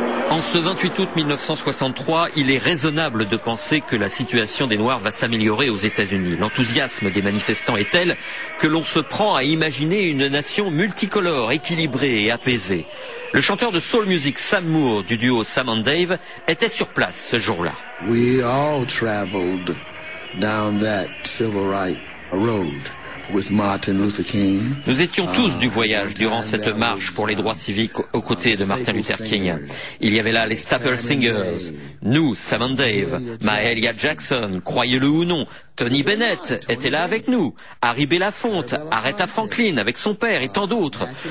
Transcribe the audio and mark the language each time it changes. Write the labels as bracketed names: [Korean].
[French] En ce 28 août 1963, il est raisonnable de penser que la situation des Noirs va s'améliorer aux États-Unis. L'enthousiasme des manifestants est tel que l'on se prend à imaginer une nation multicolore, équilibrée et apaisée. Le chanteur de soul music Sam Moore du duo Sam and Dave était sur place ce jour-là. [English] We all traveled down that civil rights road. With Martin Luther King. [French] Nous étions tous du voyage durant cette marche pour les droits civiques aux côtés de Martin Luther King. Il y avait là les Staple Singers, nous, Sam and Dave, Mahalia Jackson, croyez-le ou non, Tony Bennett était là avec nous, Harry Belafonte, Aretha Franklin avec son père et tant d'autres.